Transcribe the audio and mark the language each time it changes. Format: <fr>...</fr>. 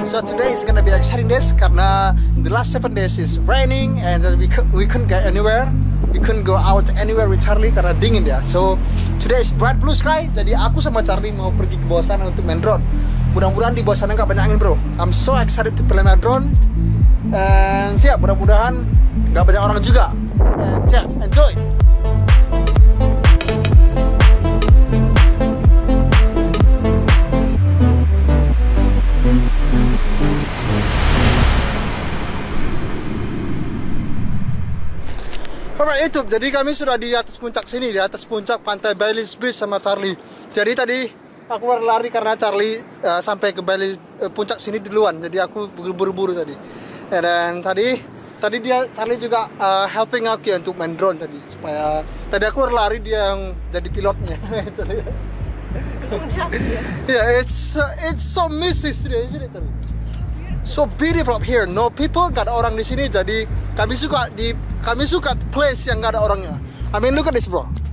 <en>So today is gonna be exciting days karena the last 7 days is raining and we couldn't get anywhere. We couldn't go out anywhere with Charlie</en> <id>karena dingin ya.</id> <en>So today is bright blue sky.</en> <id>Jadi aku sama Charlie mau pergi ke bawah sana untuk main drone. Mudah-mudahan di bawah sana nggak banyak angin, bro.</id> <en>I'm so excited to play my drone.</en> <id>And yeah, mudah-mudahan nggak banyak orang juga.</id> <en>And yeah, enjoy.</en> <id>Alright YouTube, jadi kami sudah di atas puncak sini, di atas puncak pantai Bailey's Beach sama Charlie. Jadi tadi aku lari karena Charlie sampai ke Bailey's puncak sini duluan. Jadi aku buru-buru tadi. Dan tadi dia Charlie juga helping aku untuk main drone tadi. Supaya tadi aku lari, dia yang jadi pilotnya.</id> <en>Yeah, it's so misty today, isn't it? So beautiful up here. No people,</en> <id>gak ada orang di sini. Jadi kami suka place yang gak ada orangnya.</id> <en>I mean, look at this, bro.</en>